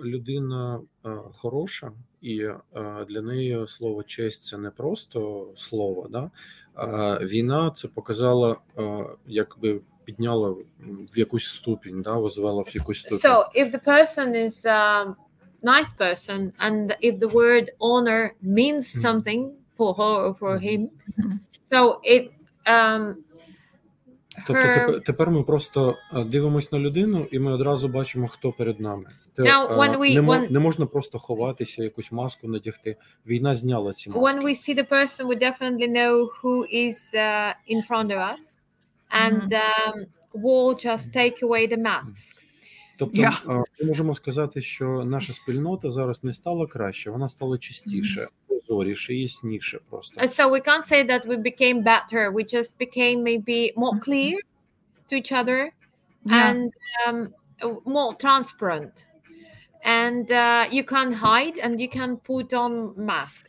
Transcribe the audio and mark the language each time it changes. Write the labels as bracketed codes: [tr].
[uk] людина хороша, і для неї слово честь – це не просто слово, да? Війна це показала, якби... підняла в якусь ступінь, да, визвала в якусь ступінь. [en] So, if the person is a nice person and if the word honor means something for her or for him, so it [uk] тобто тепер ми просто дивимось на людину і ми одразу бачимо, хто перед нами. Не можна просто ховатися, якусь маску надягти. Війна зняла ці маски. [en] When we see the person, we definitely know who is in front of us. And we'll just take away the masks. [uk] Тобто ми можемо сказати, що наша спільнота зараз не стала краще, вона стала чистіше, прозоріше, ясніше просто. [en] So we can't say that we became better, we just became maybe more clear to each other and more transparent. And you can't hide and you can put on mask.